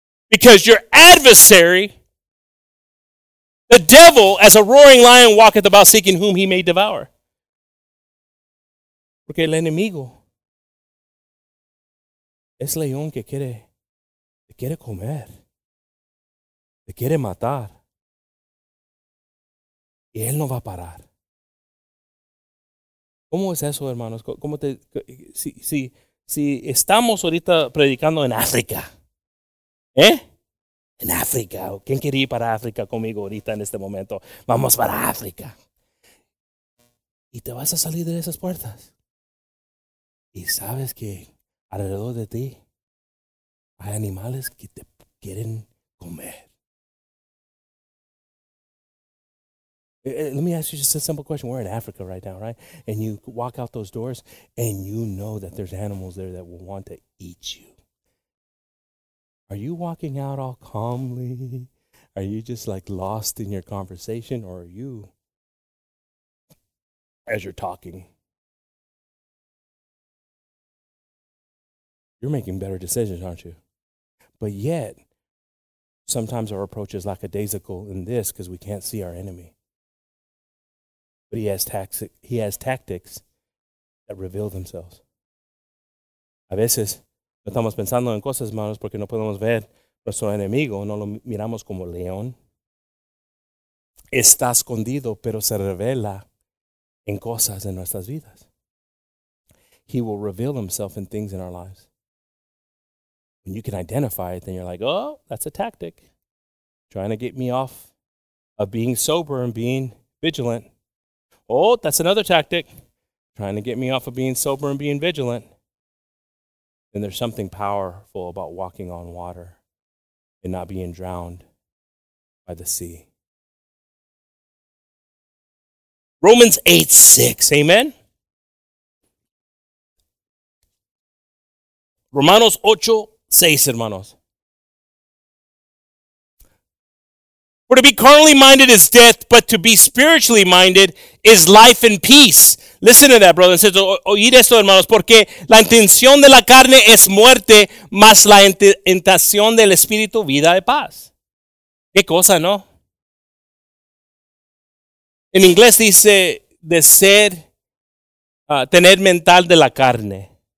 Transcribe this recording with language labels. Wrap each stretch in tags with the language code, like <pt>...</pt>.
<en>Because your adversary, the devil, as a roaring lion, walketh about seeking whom he may devour.</en> <es>Porque el enemigo es león que quiere, te quiere comer, te quiere matar, y él no va a parar. ¿Cómo es eso, hermanos? ¿Cómo te, si estamos ahorita predicando en África? ¿Eh? En África. ¿Quién quiere ir para África conmigo ahorita en este momento? Vamos para África. Y te vas a salir de esas puertas. Y sabes que alrededor de ti hay animales que te quieren comer.</es> <en>Let me ask you just a simple question. We're in Africa right now, right? And you walk out those doors and you know that there's animals there that will want to eat you. Are you walking out all calmly? Are you just like lost in your conversation? Or are you, as you're talking, you're making better decisions, aren't you? But yet, sometimes our approach is lackadaisical in this because we can't see our enemy. But he has tactics that reveal themselves.</en> <es>A veces, no estamos pensando en cosas, hermanos, porque no podemos ver nuestro enemigo. No lo miramos como león. Está escondido, pero se revela en cosas en nuestras vidas.</es> <en>He will reveal himself in things in our lives. When you can identify it, then you're like, oh, that's a tactic. Trying to get me off of being sober and being vigilant. Oh, that's another tactic. Trying to get me off of being sober and being vigilant. And there's something powerful about walking on water and not being drowned by the sea. Romans 8:6. Amen.</en> <es>Romanos 8:6, hermanos.</es> <en>For to be carnally minded is death, but to be spiritually minded is life and peace. Listen to that, brothers and sisters.</en> <es>Oír esto, hermanos. Porque la intención de la carne es muerte, más la intención del espíritu, vida y paz. ¿Qué cosa, no? En inglés dice de ser, tener mental de la carne.</es>